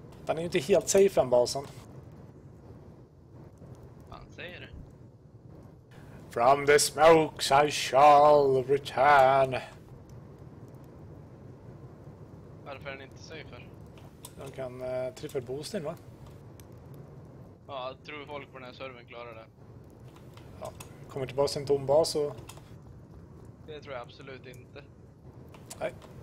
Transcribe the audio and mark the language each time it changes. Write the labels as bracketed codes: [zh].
[sv] Den är ju inte helt safe än basen. Fan, säger du? [en] From the smokes I shall return. [sv] Varför är den inte safe för? De kan trippel boosten va? Ja, jag tror folk på den här servern klarar det. Ja, kommer inte basen tom bas och... Det tror jag absolut inte. Nej.